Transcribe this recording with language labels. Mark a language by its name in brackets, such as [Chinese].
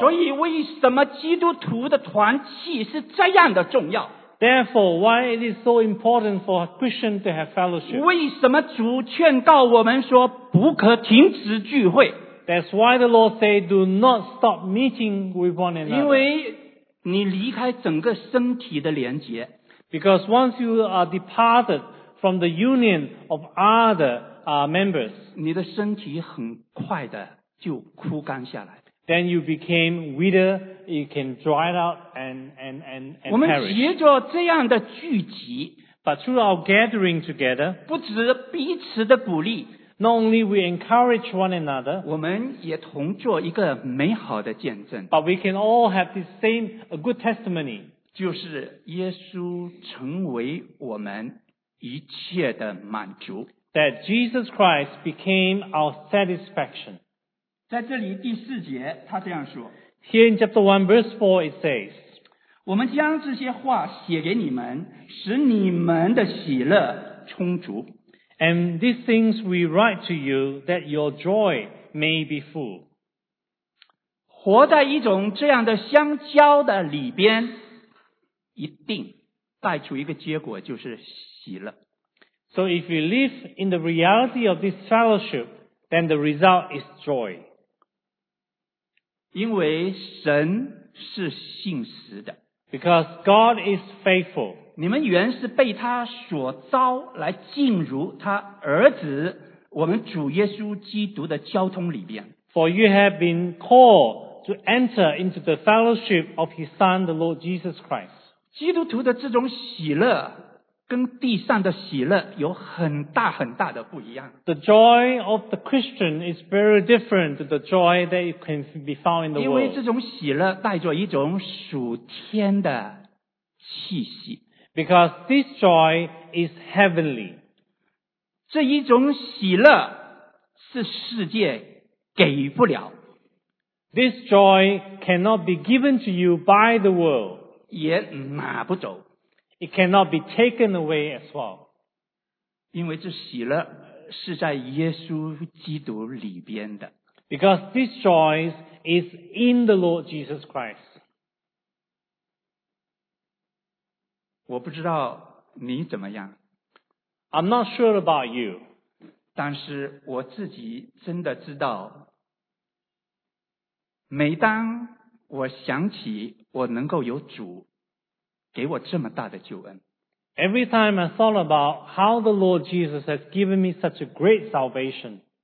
[Chinese] 所以为什么基督徒的团契是这样的重要？ [English] Therefore, why it is so important for a Christian to have fellowship? [Chinese] 为什么主劝告我们说不可停止聚会？ [English] That's why the Lord says, do not stop meeting with one another. [Chinese] 因为你离开整个身体的连结。 [English] Because once you are departed from the union of other members, [Chinese] 你的身体很快的就枯干下来。 [English] Then you became wither, you can dry out and perish. [Chinese] 我们藉着这样的聚集 [English] ，but through our gathering together, [Chinese] 不止彼此的鼓励 [English] ，not only we encourage one another, [Chinese] 我们也同做一个美好的见证 [English] ，but we can all have the same a good testimony, [Chinese] 就是耶稣成为我们一切的满足 [English] ，that Jesus Christ became our satisfaction. [Chinese] 在这里第四节他这样说 [English] Here in chapter 1 verse 4 it says [Chinese] 我们将这些话写给你们使你们的喜乐充足 [English] And these things we write to you that your joy may be full [Chinese] 活在一种这样的相交的里边一定带出一个结果就是喜乐 [English] So if you live in the reality of this fellowship then the result is joy [Chinese] 因为神是信实的 [English] Because God is faithful [Chinese] 你们原是被他所召来进入他儿子我们主耶稣基督的交通里边 [English] For you have been called to enter into the fellowship of his son the Lord Jesus Christ [Chinese] 基督徒的这种喜乐跟地上的喜乐有很大很大的不一样。 [English] The joy of the Christian is very different to the joy that you can be found in the world. [Chinese] 因为这种喜乐带着一种属天的气息。 [English] Because this joy is heavenly. [Chinese] 这一种喜乐是世界给不了。 [English] This joy cannot be given to you by the world. [Chinese] 也拿不走。 [English] It cannot be taken away as well. [Chinese] 因为这喜乐是在耶稣基督里边的。 [English] Because this joy is in the Lord Jesus Christ. [Chinese] 我不知道你怎么样。 [English] I'm not sure about you. [Chinese] 但是我自己真的知道每当我想起我能够有主给我这么大的救恩。 [English] Every time I thought about how the Lord Jesus has given me such a great salvation,